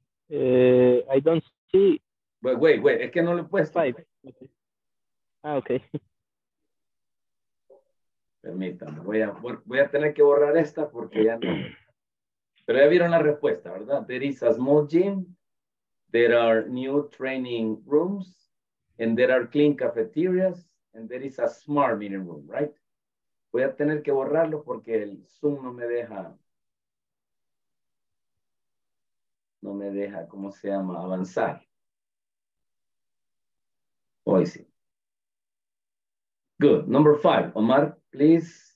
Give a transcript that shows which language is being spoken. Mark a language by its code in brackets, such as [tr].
[en] I don't see... [es] Wait, es que no le he puesto. [en] Five. Okay. Ah, ok. [es] Permítanme, voy a tener que borrar esta porque ya no. Pero ya vieron la respuesta, ¿verdad? [en] There is a small gym, there are new training rooms, and there are clean cafeterias, and there is a smart meeting room, right? [es] Voy a tener que borrarlo porque el Zoom no me deja, ¿cómo se llama? Avanzar. Hoy sí. [en] Good. Number five, Omar, please.